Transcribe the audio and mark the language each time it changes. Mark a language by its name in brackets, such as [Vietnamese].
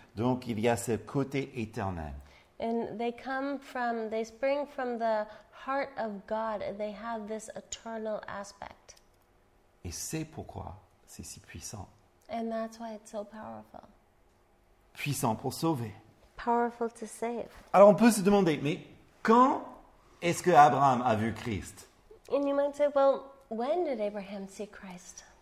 [French] Donc il y a ce côté éternel. [English] And they spring from the heart of God and they have this eternal aspect. [French] Et c'est pourquoi c'est si puissant. [English] And that's why it's so powerful. [French] Puissant pour sauver. [English] Powerful to save. [French] Alors on peut se demander, mais quand est-ce que Abraham a vu Christ? [English] And you might say, well, when did Abraham see Christ?